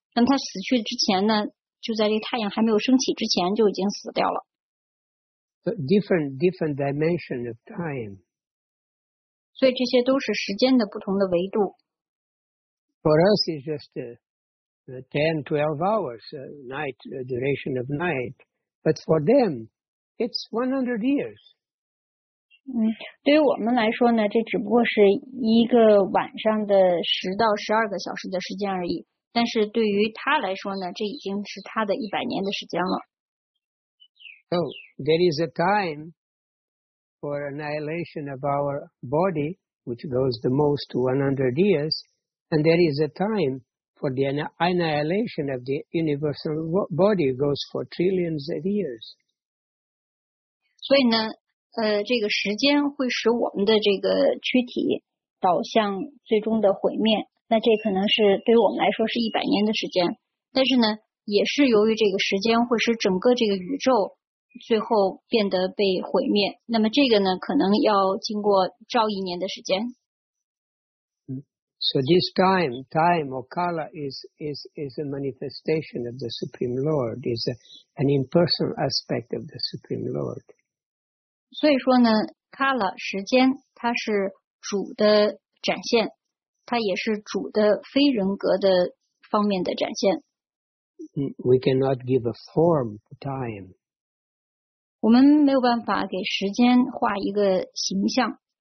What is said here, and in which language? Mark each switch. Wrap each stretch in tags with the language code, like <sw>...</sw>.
<zh>那么它死去之前呢，就在这个太阳还没有升起之前就已经死掉了。</zh> <en>Different dimension of time.</en> <zh>所以这些都是时间的不同的维度。</zh> <en>For us is just10-12 hours night duration of night, but for them it's 100 years.</en> <zh>对于我们来说呢，这只不过是一个晚上的10-12个小时的时间而已，但是对于他来说呢，这已经是他的一百年的时间了。</zh> <en>So there is a time for annihilation of our body which goes the most to 100 years, and there is a timeFor the annihilation of the universal body goes for trillions of years.</en> <zh>所以呢，这个时间会使我们的这个躯体导向最终的毁灭。那这可能是对于我们来说是一百年的时间，但是呢，也是由于这个时间会使整个这个宇宙最后变得被毁灭。那么这个呢，可能要经过兆亿年的时间。</zh> <en>So this time or kala is a manifestation of the Supreme Lord, is an impersonal aspect of the Supreme Lord.</en> <zh>所以说呢 Kala 时间它是主的展现，它也是主的非人格的方面的展现。</zh> <en>We cannot give a form to time.</en> <zh>我们没有办法给时间画一个形象。</zh>